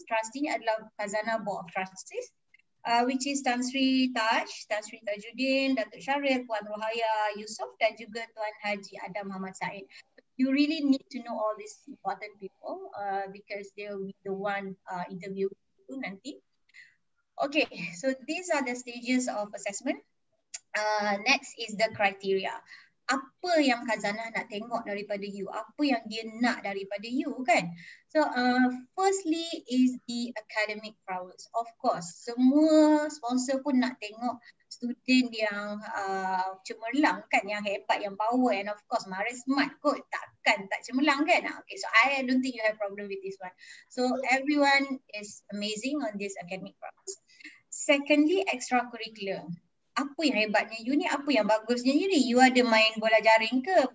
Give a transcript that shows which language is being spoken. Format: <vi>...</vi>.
<ms>Trustee ni adalah Khazanah Board of Trustees,</ms> <en>which is</en> <ms>Tan Sri Taj, Tan Sri Tajuddin, Datuk Syaril, Puan Rohaya Yusof dan juga Tuan Haji Adam Muhammad Said.</ms> <en>You really need to know all these important people because they'll be the one interview you</en> <ms>nanti.</ms> <en>Okay, so these are the stages of assessment. Next is the criteria.</en> <ms>Apa yang Khazanah nak tengok daripada you? Apa yang dia nak daripada you, kan?</ms> <en>So, firstly is the academic prowess. Of course,</en> <ms>semua sponsor pun nak tengok student yang cemerlang, kan? Yang hebat, yang power.</ms> <en>And of course,</en> <ms>mari smart kot. Takkan tak cemerlang, kan?</ms> <en>Okay, so I don't think you have problem with this one. So, everyone is amazing on this academic prowess. Secondly, extracurricular.</en> <ms>Apa yang hebatnya you ni? Apa yang bagusnya you ni? You ada main bola jaring ke?</ms>